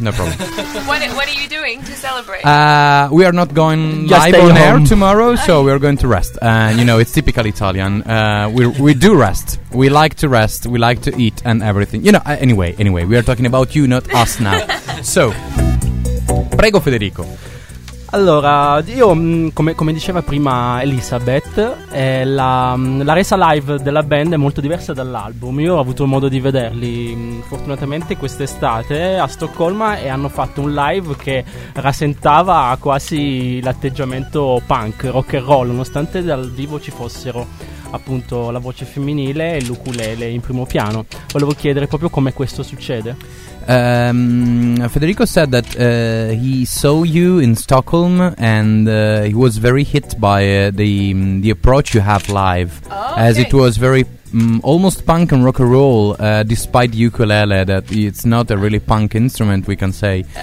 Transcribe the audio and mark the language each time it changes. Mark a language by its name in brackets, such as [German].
[English] What are you doing to celebrate? We are not going live on air tomorrow, so we are going to rest. And you know, it's typical Italian. We do rest. We like to rest. We like to eat and everything. You know. Anyway, we are talking about you, not us now. So, [Italian] prego, [English] Federico. [Italian] Allora, io, come diceva prima Elisabeth, la resa live della band è molto diversa dall'album. Io ho avuto modo di vederli, fortunatamente, quest'estate a Stoccolma, e hanno fatto un live che rasentava quasi l'atteggiamento punk, rock and roll, nonostante dal vivo ci fossero appunto la voce femminile e l'ukulele in primo piano. Volevo chiedere proprio come questo succede. [English] Federico said that he saw you in Stockholm and he was very hit by the approach you have live. Oh, okay. As it was very almost punk and rock and roll, despite the ukulele, that it's not a really punk instrument, we can say.